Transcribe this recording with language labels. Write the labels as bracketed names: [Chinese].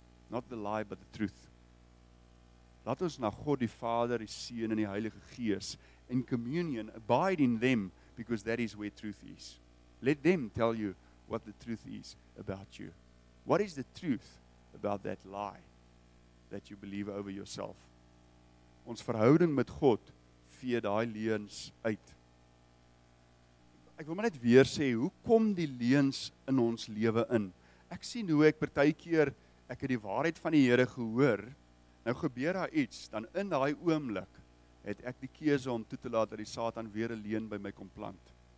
[English] Not the lie, but the truth. [Afrikaans] Laat ons na God die Vader, die Seun en die Heilige Gees [English] in communion, abide in them, because that is where truth is. Let them tell you what the truth is about you. What is the truth about that lie that you believe over yourself? [Afrikaans] Ons verhouding met God vee daai leuns uit. Ek wil maar net weer sê, hoe kom die leuns in ons lewe in? ek sien hoe ek partykeer ek het die waarheid van die Here gehoor. Nou gebeur daar iets, dan in daai oomblik het ek die keuse om toe te laat dat die Satan weer 'n leuen by my kom plant.